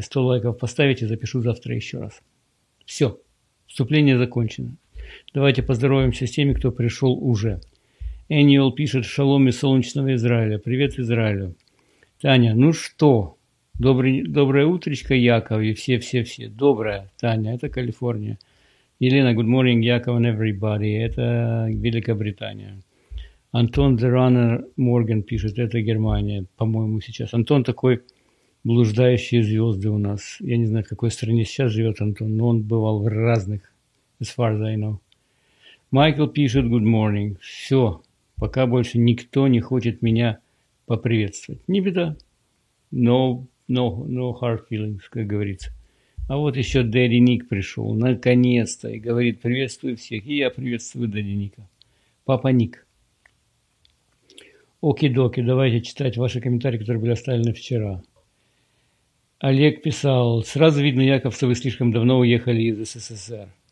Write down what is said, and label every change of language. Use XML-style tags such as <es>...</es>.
<ru>100 лайков поставите, запишу завтра еще раз. Все, вступление закончено. Давайте поздороваемся с теми, кто пришел уже. Эниел пишет: «Шалом из солнечного Израиля». Привет Израилю. Таня, ну что? Доброе утречко, Яков, и все-все-все. Доброе, Таня, это Калифорния.</ru> <en>Елена: «Good morning, Яков and everybody».</en> <ru>Это Великобритания. Антон The Runner Morgan пишет: «Это Германия, по-моему, сейчас». Антон такой блуждающие звезды у нас. Я не знаю, в какой стране сейчас живет Антон, но он бывал в разных,</ru> <en>as far as I know.</en> <ru>Майкл пишет:</ru> <en>«Good morning».</en> <ru>Все, пока больше никто не хочет меня поприветствовать. Не беда.</ru> <en>No hard feelings,</en> <ru>как говорится. А вот еще Дэдди Ник пришел, наконец-то, и говорит: «Приветствую всех». И я приветствую Дэдди Ника. Папа Ник. Оки-доки, давайте читать ваши комментарии, которые были оставлены вчера. Олег писал: «Сразу видно, Яков, что вы слишком давно уехали из СССР.</ru>